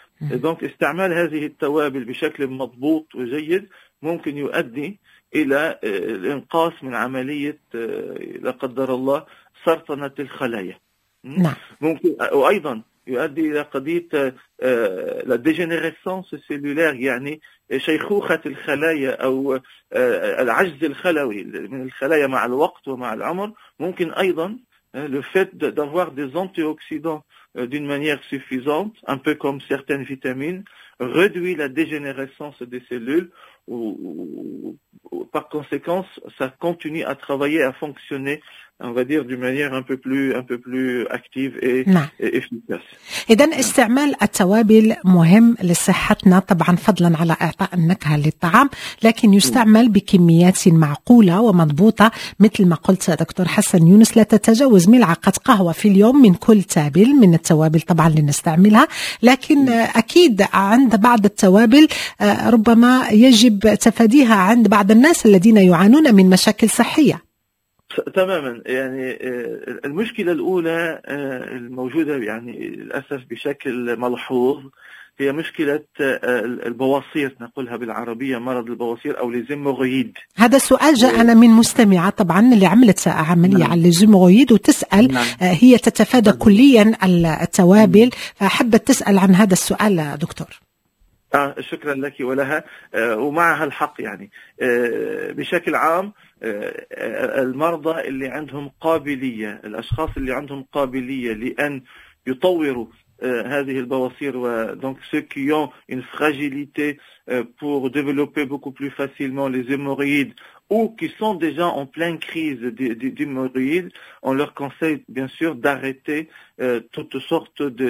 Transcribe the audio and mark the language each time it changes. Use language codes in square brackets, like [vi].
[fr] Et donc, [ar] استعمال هذه التوابل بشكل مضبوط وجيد ممكن يؤدي إلى الإنقاص من عملية لا قدر الله سرطنة الخلايا. نعم. ممكن وأيضا يؤدي إلى قضية [fr] la dégénérescence cellulaire [ar] يعني شيخوخة الخلايا أو العجز الخلوي من الخلايا مع الوقت ومع العمر ممكن أيضا [fr] le fait d'avoir des antioxydants d'une manière suffisante un peu comme certaines vitamines réduit la dégénérescence des cellules ou par conséquence ça continue à travailler à fonctionner on va dire d'une manière un peu plus active et efficace. [ar] إذن استعمال التوابل مهم لصحتنا طبعا فضلا على اعطاء النكهة للطعام لكن يستعمل بكميات معقولة ومضبوطة مثل ما قلت دكتور حسن يونس لا تتجاوز ملعقة قهوة في اليوم من كل تابل من التوابل طبعا لنستعملها لكن اكيد عند بعض التوابل ربما يجب تفاديها عند بعض الناس الذين يعانون من مشاكل صحية تماما. يعني المشكلة الأولى الموجودة يعني للأسف بشكل ملحوظ هي مشكلة البواسير، نقولها بالعربية مرض البواسير أو ليزيموغويد. هذا سؤال جاءنا من مستمعة طبعا اللي عملت عملية على الليزيموغويد وتسأل هي تتفادى كليا التوابل، فحبت تسأل عن هذا السؤال دكتور. شكرا لك ولها ومعها الحق. يعني بشكل عام المرضى اللي عندهم قابلية، الأشخاص اللي عندهم قابلية لأن يطوروا هذه البواسير و [fr] donc ceux qui ont une fragilité pour développer beaucoup plus facilement les hémorroïdes ou qui sont déjà en pleine crise d'hémorroïdes, on leur conseille bien sûr d'arrêter toutes sortes